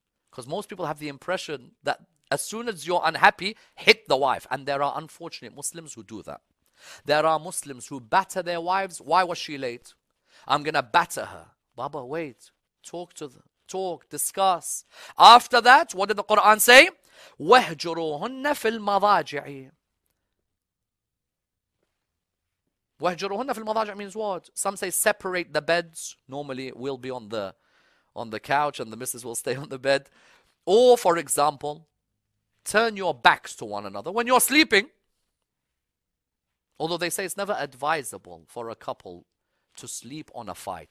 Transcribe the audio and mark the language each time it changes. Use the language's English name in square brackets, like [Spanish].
[English] Because most people have the impression that as soon as you're unhappy, hit the wife. And there are unfortunate Muslims who do that. There are Muslims who batter their wives. Why was she late? I'm going to batter her. Baba, wait. Talk to them. Talk. Discuss. After that, what did the Quran say? [Arabic] وَهْجُرُوهُنَّ فِي الْمَضَاجِعِ وَهْجُرُوهُنَّ فِي الْمَضَاجِعِ [English] means what? Some say separate the beds. Normally, we'll be on the couch and the missus will stay on the bed. Or, for example, turn your backs to one another when you're sleeping. Although they say it's never advisable for a couple to sleep on a fight.